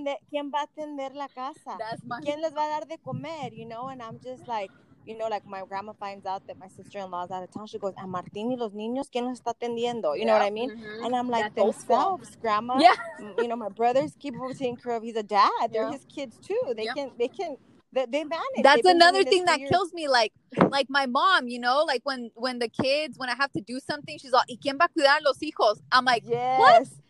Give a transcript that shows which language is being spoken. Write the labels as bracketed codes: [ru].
[es] ¿Quién va a atender la casa? ¿Quién les va a dar de comer? [en] You know, and I'm just like, you know, like my grandma finds out that my sister-in-law is out of town. She goes, [es] ¿A Martín y los niños? ¿Quién los está atendiendo? [en] You know what I mean? Mm-hmm. And I'm like, themselves, grandma. Yeah. You know, my brother's keeping taking care of. He's a dad. They're his kids too. They can manage. That's another thing that kills me. Like my mom, you know, like when the kids, when I have to do something, she's like, [es] ¿Y quién va a cuidar los hijos? [en] I'm like, what?